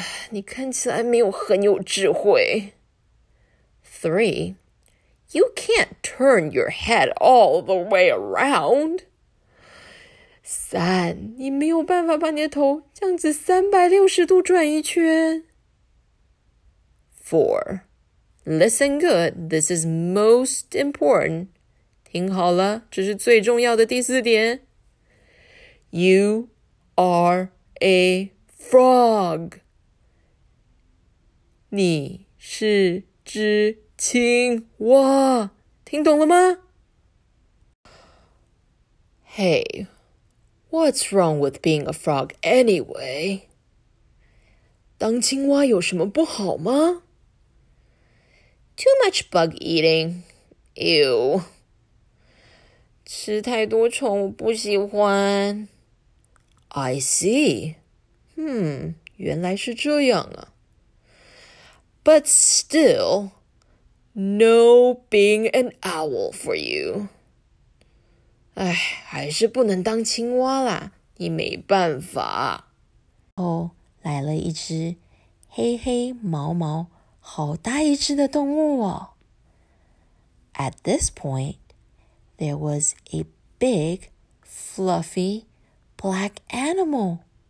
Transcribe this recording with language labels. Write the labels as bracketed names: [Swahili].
[Chinese] 你看起来没有很有智慧。 [English] Three, you can't turn your head all the way around. [Chinese] 三，你没有办法把你的头这样子360度转一圈。 [English] Four, listen good, this is most important. [Chinese] 听好了，这是最重要的第四点。 [English] You are a frog. [Chinese] 你是只青蛙，听懂了吗？ [English] Hey, what's wrong with being a frog anyway? [Chinese] 当青蛙有什么不好吗？ [English] Too much bug eating. Ew. [Chinese] 吃太多虫，我不喜欢。 [English] I see. [Chinese] 原来是这样啊。 [English] But still, no being an owl for you. [Chinese] 哎，还是不能当青蛙啦，你没办法。哦，来了一只黑黑毛毛，好大一只的动物哦。 [English] At this point, there was a big, fluffy,black animal.